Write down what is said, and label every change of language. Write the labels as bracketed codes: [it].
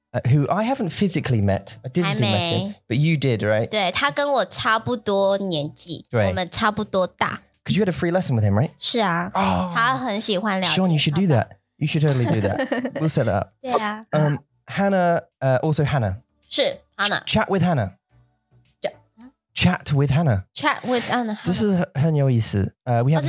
[en] Who I haven't physically met, I digitally met him, but you did, right? [zh] 对，他跟我差不多年纪，我们差不多大。 [en] Because you had a free lesson with him, right? [zh] 是啊，他很喜欢聊天。 [en] Sean, you should do that. You should totally do that. We'll set that up. [zh] 对啊。 [en] Hannah, also Hannah. [zh] 是 Hannah. [en] Chat with Hannah. Chat with Hannah. Chat with Hannah. [zh] 这是很有意思。 [en] We have a French one.